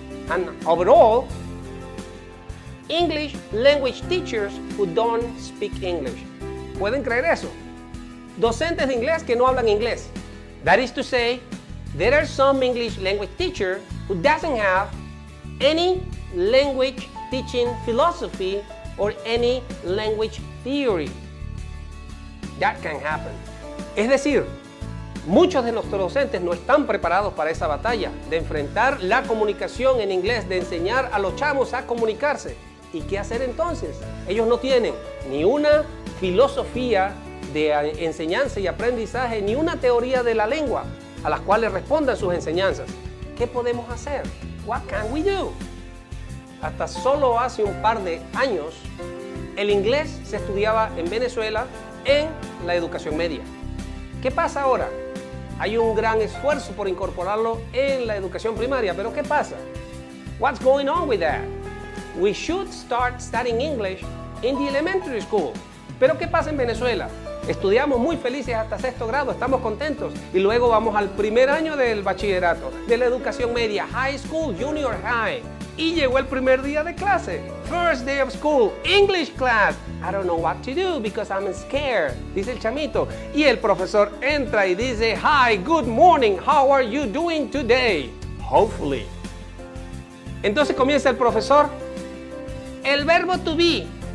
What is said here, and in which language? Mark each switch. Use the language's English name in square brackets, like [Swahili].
[English] And overall, English language teachers who don't speak English. [Spanish] ¿Pueden creer eso? Docentes de inglés que no hablan inglés. [English] That is to say, there are some English language teachers who doesn't have any language teaching philosophy or any language theory. That can happen. [Spanish] Es decir, muchos de nuestros docentes no están preparados para esa batalla de enfrentar la comunicación en inglés, de enseñar a los chamos a comunicarse. ¿Y qué hacer entonces? Ellos no tienen ni una filosofía de enseñanza y aprendizaje, ni una teoría de la lengua a las cuales respondan sus enseñanzas. ¿Qué podemos hacer? [English] What can we do? [Spanish] Hasta solo hace un par de años, el inglés se estudiaba en Venezuela en la educación media. ¿Qué pasa ahora? Hay un gran esfuerzo por incorporarlo en la educación primaria, pero ¿qué pasa? [English] What's going on with that? We should start studying English in the elementary school. [Spanish] ¿Pero qué pasa en Venezuela? Estudiamos muy felices hasta sexto grado, estamos contentos, y luego vamos al primer año del bachillerato, de la educación media, [English] high school, junior high, [Spanish] y llegó el primer día de clase. [English] First day of school, English class. I don't know what to do because I'm scared, [Spanish] dice el chamito. Y el profesor entra y dice, [English] hi, good morning, how are you doing today? Hopefully. [Spanish] Entonces comienza el profesor. El verbo to be.